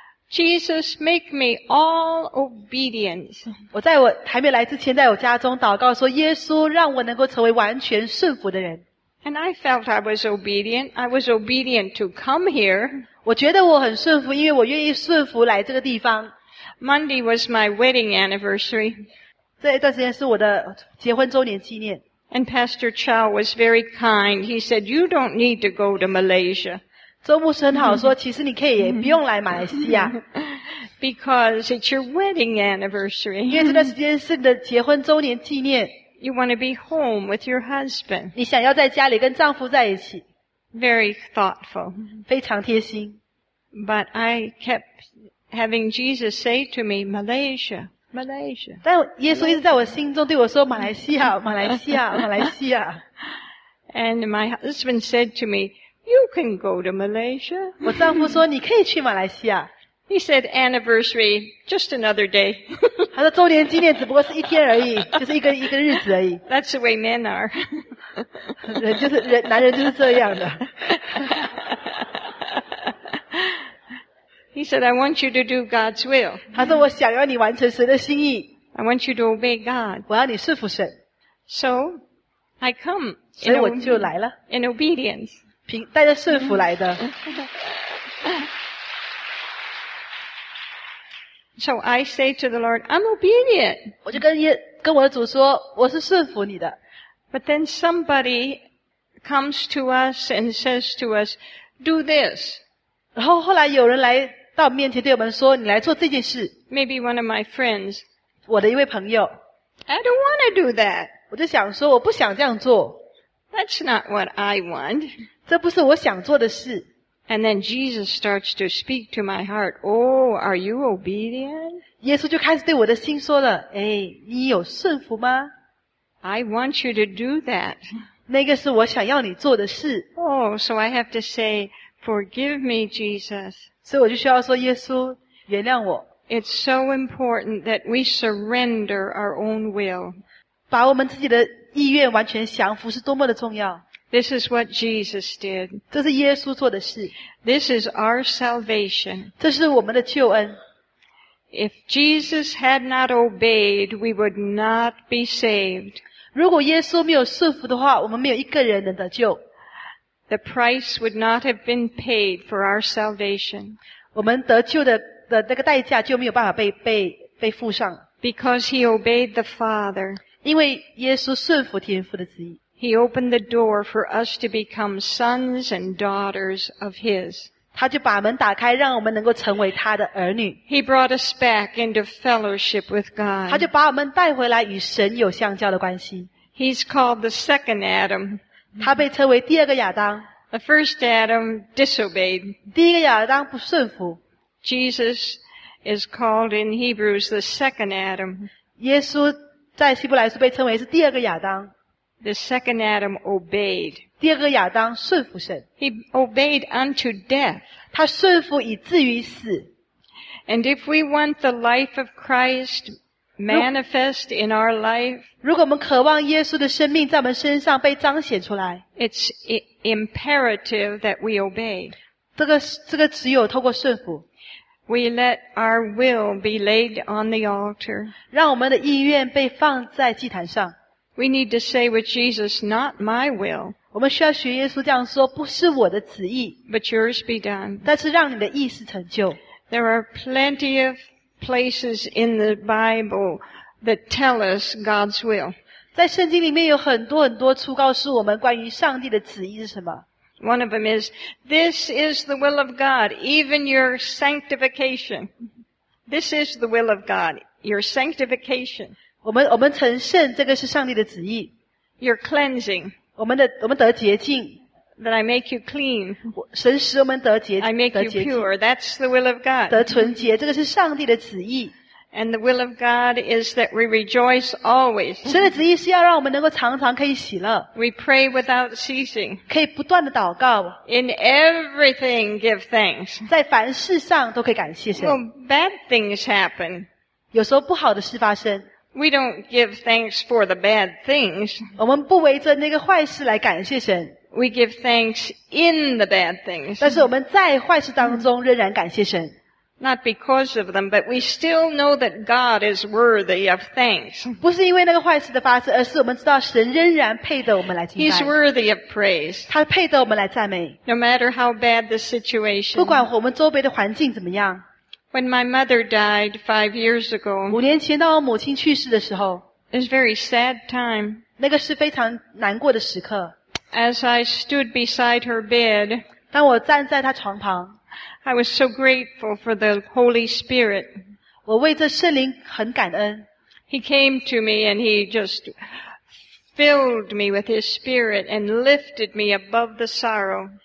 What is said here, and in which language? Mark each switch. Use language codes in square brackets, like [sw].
[en] Jesus, make me all obedience. [zh] 我在我还没来之前，在我家中祷告说：“耶稣，让我能够成为完全顺服的人。” [en] And I felt I was obedient. I was obedient to come here. [zh] 我觉得我很顺服，因为我愿意顺服来这个地方。 [en] Monday was my wedding anniversary. [zh] 这一段时间是我的结婚周年纪念。 [en] And Pastor Chow was very kind. He said, "You don't need to go to Malaysia." [zh] 周牧师很好说，其实你可以也不用来马来西亚。 [en] Because it's your wedding anniversary. [zh] 因为这段时间是你的结婚周年纪念。 [en] You want to be home with your husband. [zh] 你想要在家里跟丈夫在一起。 [en] Very thoughtful. [zh] 非常贴心。 [en] But I kept having Jesus say to me, Malaysia. Malaysia. [zh] 但耶稣一直在我心中对我说马来西亚马来西亚马来西亚。 [en] And my husband said to me, you can go to Malaysia. [zh] 我丈夫说你可以去马来西亚。 [en] He said, anniversary, just another day. [zh] 他说周年纪念只不过是一天而已就是一个日子而已。 [en] That's the way men are. [zh] 人就是人男人就是这样的。 [en] He said, I want you to do God's will. [zh] 他说我想要你完成神的心意。 [en] I want you to obey God. [zh] 我要你顺服神。 [en] So, I come. [zh] 所以我就来了。 [en] In obedience. [zh] 带着顺服来的。 [en] So I say to the Lord, I'm obedient. [zh] 我就跟我的主说我是顺服你的。 [en] But then somebody comes to us and says to us, do this. [zh] 然后后来有人来到面前对我们说你来做这件事。 [en] Maybe one of my friends. [zh] 我的一位朋友。 [en] I don't want to do that. [zh] 我就想说我不想这样做。 [en] That's not what I want. [zh] 这不是我想做的事。 [en] And then Jesus starts to speak to my heart. Oh, are you obedient? [zh] 耶稣就开始对我的心说了诶、哎、你有顺服吗 [en] ?I want you to do that. [zh] 那个是我想要你做的事。 [en] Oh, so I have to say,Forgive me, Jesus. [zh] 所以我就需要说耶稣原谅我。 [en] It's so important that we surrender our own will. [zh] 把我们自己的意愿完全降服是多么的重要。 [en] This is what Jesus did. [zh] 这是耶稣做的事。 [en] This is our salvation. [zh] 这是我们的救恩。 [en] If Jesus had not obeyed, we would not be saved. [zh] 如果耶稣没有顺服的话我们没有一个人能得救。 [en] The price would not have been paid for our salvation. [zh] 我们得救 的那个代价就没有办法 被付上。 [en] Because he obeyed the Father. [zh] 因为耶稣顺服天父的旨意。 [en] He opened the door for us to become sons and daughters of his. [zh] 他就把门打开让我们能够成为他的儿女。 [en] He brought us back into fellowship with God. [zh] 他就把我们带回来与神有相交的关系。 [en] He's called the second Adam. [zh] 他被称为第二个亚当。 [en] The first Adam disobeyed. [zh] 第一个亚当不顺服。 [en] Jesus is called in Hebrews the second Adam. [zh] 耶稣在希伯来书被称为是第二个亚当。 [en] The second Adam obeyed. [zh] 第二个亚当顺服神。 [en] He obeyed unto death. [zh] 他顺服以至于死。 [en] And if we want the life of Christ,Manifest in our life. [zh] 如果我们渴望耶稣的生命在我们身上被彰显出来 [en] It's imperative that we obey. [zh] 这个只有透过顺服 [en] We let our will be laid on the altar. [zh] 让我们的意愿被放在祭坛上 [en] We need to say with Jesus, not my will. [zh] 我们需要学耶稣这样说不是我的旨意 [en] But yours be done. [zh] 但是让你的意思成就 [en] There are plenty ofplaces in the Bible that tell us God's will. [zh] 在圣经里面有很多很多处告诉我们关于上帝的旨意是什么。 [en] One of them is, this is the will of God, even your sanctification. This is the will of God, your sanctification. [zh] 我们成圣这个是上帝的旨意。 [en] Your cleansing. [zh] 我们得洁净。 [en] That I make you clean. [zh] 神使我们得洁净。 [en] I make you pure. That's the will of God. [zh] 得纯洁，这个是上帝的旨意。 [en] And the will of God is that we rejoice always. [zh] 神的旨意是要让我们能够常常可以喜乐。 [en] We pray without ceasing. [zh] 可以不断的祷告。 [en] In everything, give thanks. [zh] 在凡事上都可以感谢神。 [en] Well, bad things happen. [zh] 有时候不好的事发生。 [en] We don't give thanks for the bad things. [zh] 我们不为着那个坏事来感谢神。 [en] We give thanks in the bad things. [zh] 但是我们在坏事当中仍然感谢神。 [en] Not because of them, but we still know that God is worthy of thanks. [zh] 不是因为那个坏事的发生，而是我们知道神仍然配得我们来敬拜。 [en] He's worthy of praise. [zh] 他配得我们来赞美。 [en] No matter how bad the situation. [zh] 不管我们周围的环境怎么样。 [en] When my mother died 5 years ago. [zh] 五年前到我母亲去世的时候。 [en] It was a very sad time. [zh] 那个是非常难过的时刻。 [en] As I stood beside her bed, [zh] 当我站在她床旁, [en] I was so grateful for the Holy Spirit. [zh] 我为这圣灵很感恩。 [en] He came to me and he just filled me with his spirit and lifted me above the sorrow.